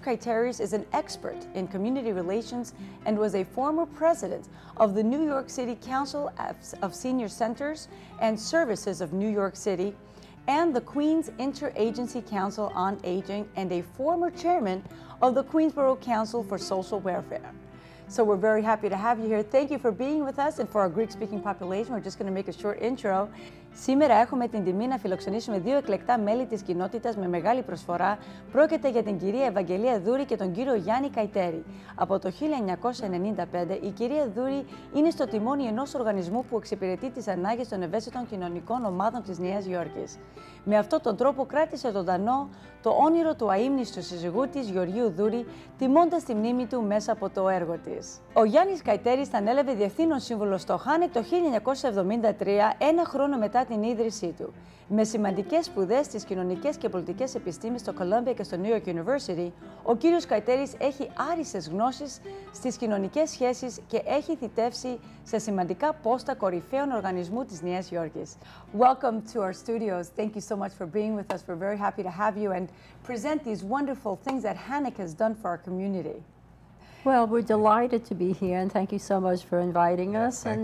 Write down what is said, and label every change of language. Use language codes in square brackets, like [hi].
[en] Kaiteris is an expert in community relations and was a former president of the New York City Council of Senior Centers and Services of New York City and the Queens Interagency Council on Aging and a former chairman of the Queensborough Council for Social Welfare. So we're very happy to have you here. Thank you for being with us. And for our Greek-speaking population, we're just going to make a short intro. [el] Σήμερα έχουμε την τιμή να φιλοξενήσουμε δύο εκλεκτά μέλη της κοινότητας με μεγάλη προσφορά. Πρόκειται για την κυρία Ευαγγελία Δούρη και τον κύριο Γιάννη Καϊτέρη. Από το 1995, η κυρία Δούρη είναι στο τιμόνι ενός οργανισμού που εξυπηρετεί τις ανάγκες των ευαίσθητων κοινωνικών ομάδων της Νέας Υόρκης. Με αυτόν τον τρόπο κράτησε ζωντανό το όνειρο του αείμνηστου σύζυγού της Γεωργίου Δούρη, τιμώντας τη μνήμη του μέσα από το έργο της. Ο Γιάννης Καϊτέρης ανέλαβε διευθύνων σύμβουλο στο Hanac το 1973, ένα χρόνο μετά την ίδρυσή του. Με σημαντικές σπουδές στις κοινωνικές και πολιτικές επιστήμες στο Columbia και στο New York University, ο κύριος Καϊτέρης έχει άριστες γνώσεις στις κοινωνικές σχέσεις και έχει θητεύσει σε σημαντικά πόστα κορυφαίων οργανισμού της Νέας Υόρκης. [en] Welcome to our studios. Thank you so much for being with us. We're very happy to have you and present these wonderful things that Hanac has done for our community. Well, we're delighted to be here and thank you so much for inviting us.